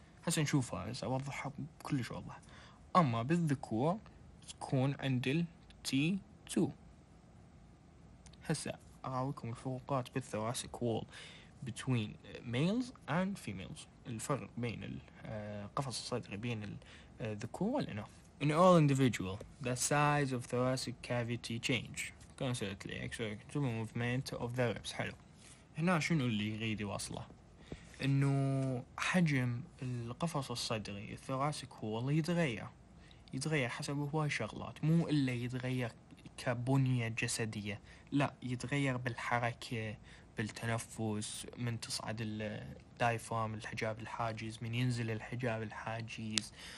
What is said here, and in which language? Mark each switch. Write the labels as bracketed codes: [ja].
[ar] هسه نشوفها، هسه اوضحها كلش واضح. اما بالذكور تكون عند ال T2. هسه اراويكم الفروقات بالثوراسيك وول [en] between males and females، [ar] الفرق بين القفص الصدري بين الذكور والإناث. [en] in all individual the size of thoracic cavity change constantly exerting the movement of the ribs. [ar] حلو، هنا شنو اللي يريد يوصله؟ انه حجم القفص الصدري الثوراسيك هو اللي يتغير حسب هواي شغلات، مو الا يتغير كبنية جسدية، لا يتغير بالحركة بالتنفس، من تصعد الدايفرام الحجاب الحاجز، من ينزل الحجاب الحاجز،